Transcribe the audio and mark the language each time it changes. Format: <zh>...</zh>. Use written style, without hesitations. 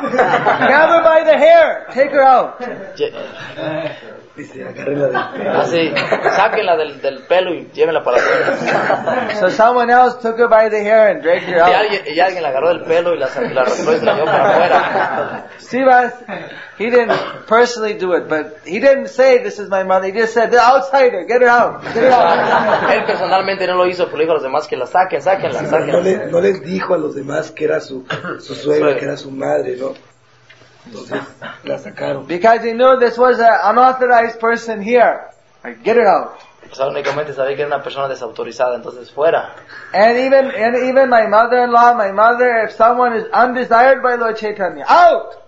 <en>Grab her by the hair, take her out.</en> <es>Así, sáquenla del pelo y llévenla para afuera.</es> <en>So someone else took her by the hair and dragged her out.</en> <es>Y alguien la agarró del pelo y la arrastró y la llevó para afuera.</es> <en>Srivas, he didn't personally do it, but he didn't say, "This is my mother." He just said, "The outsider, get her out.</en> <es>Él personalmente no lo hizo, pero dijo a los demás que la sáquenla. No les dijo a los demás que era su suegra, que era su madre, ¿no? Entonces, la sacaron.</es> <en>Because he knew this was an unauthorized person here. Like, get it out.</en> <es>O sea, únicamente sabía que era una persona desautorizada, entonces fuera.</es> <en>And even my mother-in-law, my mother, if someone is undesired by Lord Chaitanya, out.</en>